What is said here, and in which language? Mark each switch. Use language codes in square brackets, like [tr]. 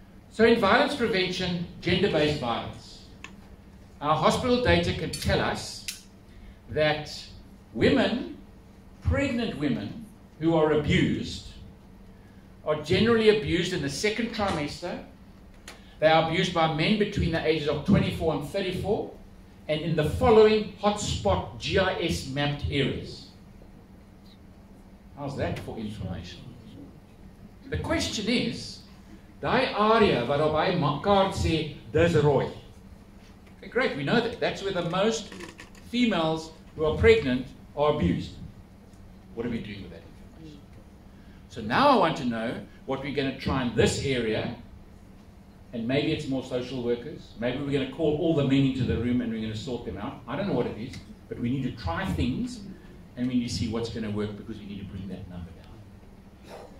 [en] So in violence prevention, gender-based violence, our hospital data can tell us that women, pregnant women, who are abused, are generally abused in the second trimester. They are abused by men between the ages of 24 and 34, and in the following hotspot GIS mapped areas. How's that for information? The question is, [af] Die area wat op hy kaart sê, dis rooi. [en] Okay, great, we know that. That's where the most females who are pregnant are abused. What are we doing with that information? So now I want to know what we're going to try in this area, and maybe it's more social workers. Maybe we're going to call all the men into the room and we're going to sort them out. I don't know what it is, but we need to try things and we need to see what's going to work because we need to bring that number down.